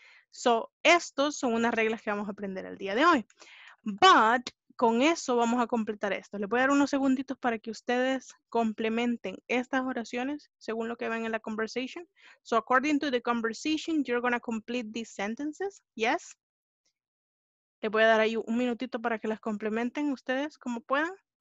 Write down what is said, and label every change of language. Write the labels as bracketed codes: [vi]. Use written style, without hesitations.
[es] So, estos son unas reglas que vamos a aprender el día de hoy. But, con eso vamos a completar esto. Les voy a dar unos segunditos para que ustedes complementen estas oraciones según lo que ven en la conversation. [en] So, according to the conversation, you're going to complete these sentences. Yes? [es] Les voy a dar ahí un minutito para que las complementen ustedes como puedan.